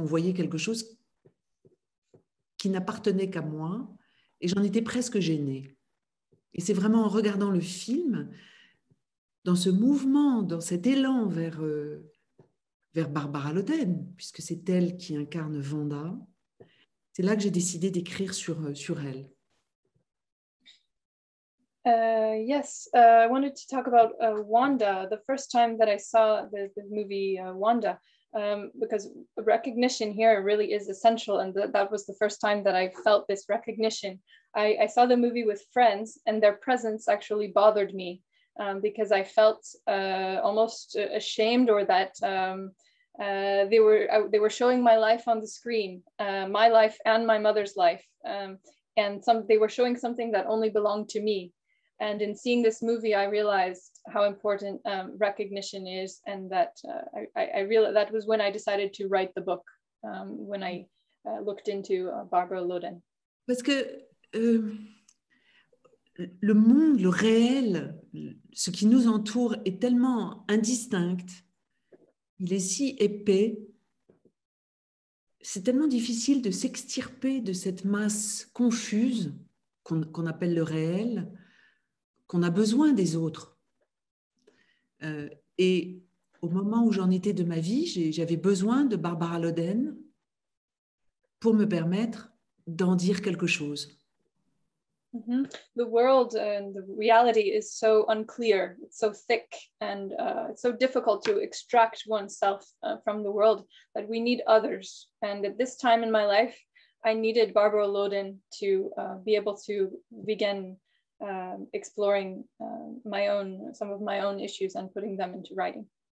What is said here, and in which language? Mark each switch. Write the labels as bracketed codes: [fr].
[fr] On voyait quelque chose qui n'appartenait qu'à moi, et j'en étais presque gênée. Et c'est vraiment en regardant le film, dans ce mouvement, dans cet élan vers Barbara Loden, puisque c'est elle qui incarne Wanda, c'est là que j'ai décidé d'écrire sur elle. [en] Yes, I wanted to talk about Wanda, the first time that I saw the movie Wanda. Because recognition here really is essential, and that was the first time that I felt this recognition. I saw the movie with friends, and their presence actually bothered me because I felt almost ashamed, or that they were showing my life on the screen, my life and my mother's life, they were showing something that only belonged to me. And in seeing this movie, I realized how important recognition is, and that that was when I decided to write the book, when I looked into Barbara Loden. [fr] Parce que le monde, le réel, ce qui nous entoure est tellement indistinct, il est si épais, c'est tellement difficile de s'extirper de cette masse confuse qu'on appelle le réel, qu'on a besoin des autres. Et au moment où j'en étais de ma vie, j'avais besoin de Barbara Loden pour me permettre d'en dire quelque chose. Mm-hmm. [en] The world and the reality is so unclear, it's so thick, and it's so difficult to extract oneself from the world that we need others. And at this time in my life, I needed Barbara Loden to be able to begin exploring some of my own issues and putting them into writing.